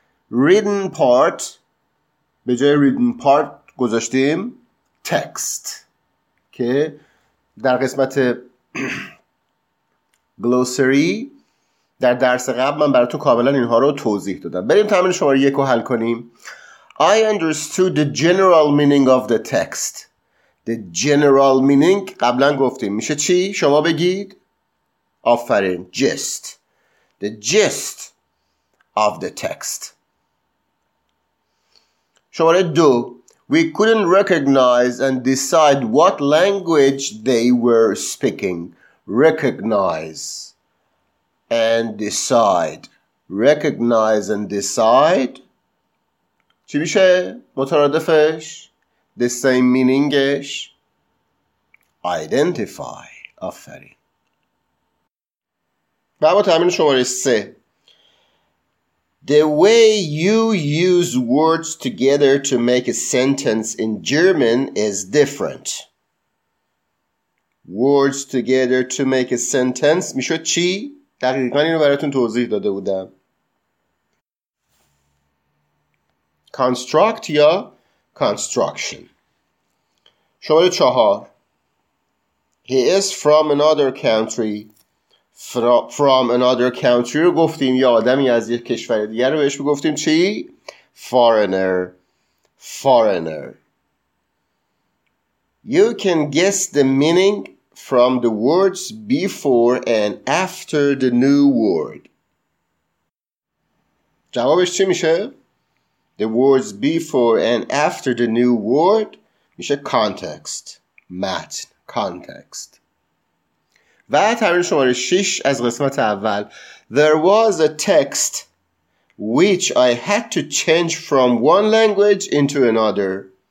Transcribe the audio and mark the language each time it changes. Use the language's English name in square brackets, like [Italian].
[Persian] Written part به جای written part گذاشتیم text، که در قسمت glossary در درس قبل من براتون کاملا اینها رو توضیح دادم. بریم تمرین شماره 1 رو حل کنیم. [English] I understood the general meaning of the text. The general meaning [Persian] قبلا گفتیم میشه چی؟ شما بگید. آفرین. [English] Gist. The gist of the text. [Persian] شماره 2. [English] We couldn't recognize and decide what language they were speaking. Recognize and decide. Recognize and decide. [Persian] چی میشه مترادفش؟ [English] The same meaningش. Identify. [Persian] آفرین. و اما تمرین شماره 3. [English] The way you use words together to make a sentence in German is different. Words together to make a sentence [Persian] میشه چی؟ دقیقا اینو براتون توضیح داده بودم. Construct یا construction. شماره 4. [English] He is from another country. [Persian] From another country رو گفتیم یا آدمی از یک کشور دیگر رو بهش بگفتیم چی؟ Foreigner. [English] Foreigner. You can guess the meaning from the words before and after the new word. [Persian] جوابش چی میشه؟ [English] The words before and after the new word میشه context. متن. Context. [Persian] و تمرین شماره 6 از قسمت اول. [English] There was a text which I had to change from one language into another.